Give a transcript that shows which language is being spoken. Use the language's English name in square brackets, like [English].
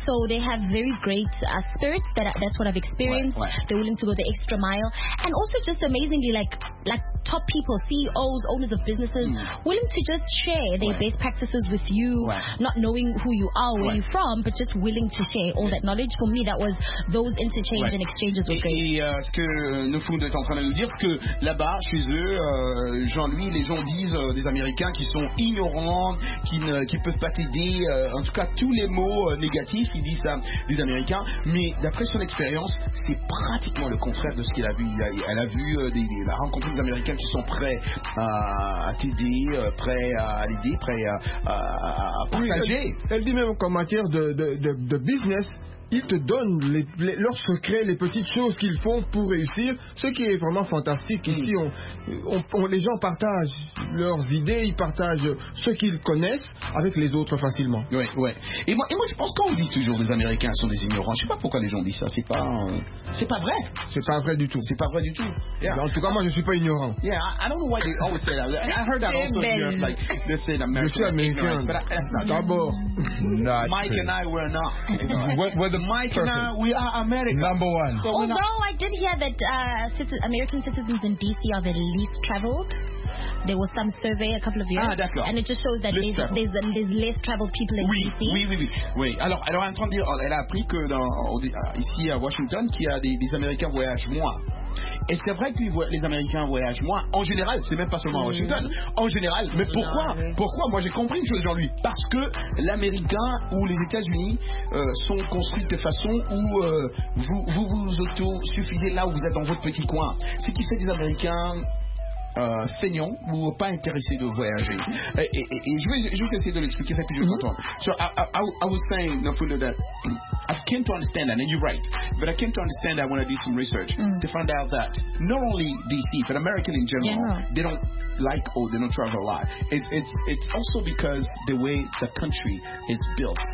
[English] So they have very great spirits. That's what I've experienced. Right. Right. They're willing to go the extra mile. And also just amazingly, like top people, CEOs, owners of businesses, willing to just share their, right, best practices with you, right, not knowing who you are, where, right, you're from, but just willing to share all, yeah, that knowledge. For me, that was those interchange, right, and exchanges were great. [French] Et ce que nous fondons est en train de nous dire, c'est que là-bas, chez eux, Jean-Louis, les gens disent des Américains qui sont ignorants, qui peuvent pas t'aider, en tout cas tous les mots négatifs, ils disent ça des Américains, mais d'après son expérience, c'est pratiquement le contraire de ce qu'il a vu. Elle a vu, elle a rencontré des Américains qui sont prêts à t'aider, prêts à l'aider, prêts à partager. Oui, elle dit même qu'en matière de business, ils te donnent leurs secrets, les petites choses qu'ils font pour réussir, ce qui est vraiment fantastique. Ici, les gens partagent leurs idées, ils partagent ce qu'ils connaissent avec les autres facilement. Oui, oui. Et moi, je pense qu'on dit toujours que les Américains sont des ignorants. Je ne sais pas pourquoi les gens disent ça. C'est pas vrai. C'est pas vrai du tout. C'est pas vrai du tout. [English] Yeah. [French] En tout cas, moi, je ne suis pas ignorant. [English] Yeah, I don't know why they always say that. I heard that also. Yeah, like, they say that Americans are ignorant. But that's not true. [French] D'abord. [English] Mike and I were not. We're the Mike person. And I, we are American. Number one. So although I did hear that American citizens in D.C. are the least traveled. There was some survey a couple of years ago. [French] Ah, d'accord. [English] And it just shows that there's less traveled people in, [French] oui, [English] D.C. [French] Oui. Alors, en train de dire, elle a appris que ici à Washington, qu'il y a des Américains voyagent moins. Et c'est vrai que les Américains voyagent moins. En général, c'est même pas seulement à Washington. En général, mais pourquoi? Non, oui. Pourquoi? Moi, j'ai compris une chose, Jean-Louis. Parce que l'Américain ou les États-Unis sont construits de façon où vous auto-suffisez là où vous êtes dans votre petit coin. Ce qui fait des Américains feignants ou pas intéressés de voyager. Et je vais essayer de l'expliquer rapidement. Mm-hmm. [English] So I was saying, no fool of that. I came to understand that, and you're right. But I came to understand that when I did some research to find out that not only D.C., but American in general, they don't like or they don't travel a lot. It's also because the way the country is built.